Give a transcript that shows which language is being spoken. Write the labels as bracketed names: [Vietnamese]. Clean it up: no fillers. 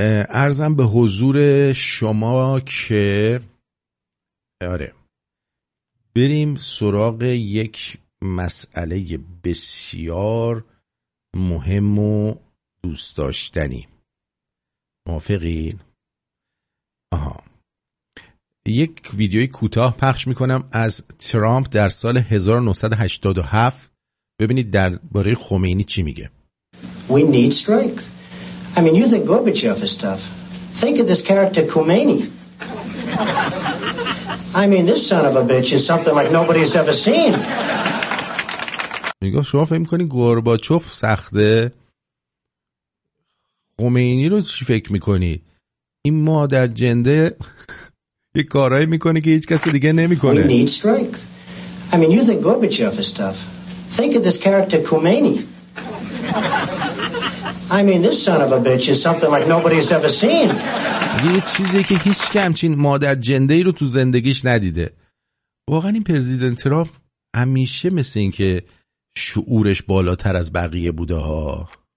[Persian] عرضم به حضور شما که آره، بریم سراغ یک مسئله بسیار مهم و دوست داشتنی. موافقین؟ آها، یک ویدیوی کوتاه پخش میکنم از ترامپ در سال 1987. ببینید درباره خمینی چی میگه. [English] We need strength. I mean, you think Gorbachev is tough. Think of this character Khomeini. I mean, this son of a bitch is something like nobody's ever seen. [Persian] میگه شما فهم کنی گورباچوف سخته؟ خمینی رو چی فکر میکنی؟ این مادر جنده یک کارهایی میکنه که هیچ کس دیگه نمیکنه. [English] We need strength. I mean, you think Gorbachev is tough. Think of this character Khomeini. I mean, this son of a bitch is something like nobody's ever seen. [Persian] یه چیزی که هیچ که همچین مادر جنده ای رو تو زندگیش ندیده. واقعا این پرزیدنت تراف همیشه مثل این که شعورش بالاتر از بقیه بوده ها.